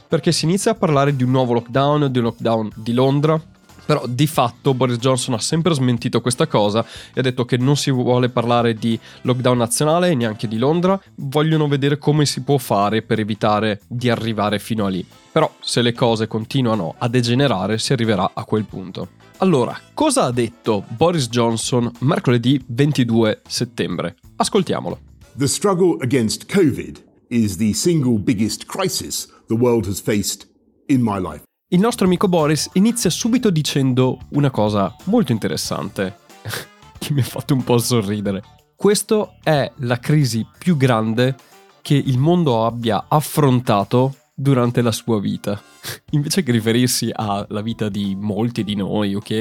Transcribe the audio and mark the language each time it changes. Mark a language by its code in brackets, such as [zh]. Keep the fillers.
[it] Perché si inizia a parlare di un nuovo lockdown, di un lockdown di Londra, però di fatto Boris Johnson ha sempre smentito questa cosa e ha detto che non si vuole parlare di lockdown nazionale e neanche di Londra, vogliono vedere come si può fare per evitare di arrivare fino a lì. Però se le cose continuano a degenerare si arriverà a quel punto. Allora, cosa ha detto Boris Johnson mercoledì 22 settembre? Ascoltiamolo. [en] The struggle against Covid is the single biggest crisis the world has faced in my life. [it] Il nostro amico Boris inizia subito dicendo una cosa molto interessante, che mi ha fatto un po' sorridere. Questa è la crisi più grande che il mondo abbia affrontato durante la sua vita. Invece che riferirsi alla vita di molti di noi, ok?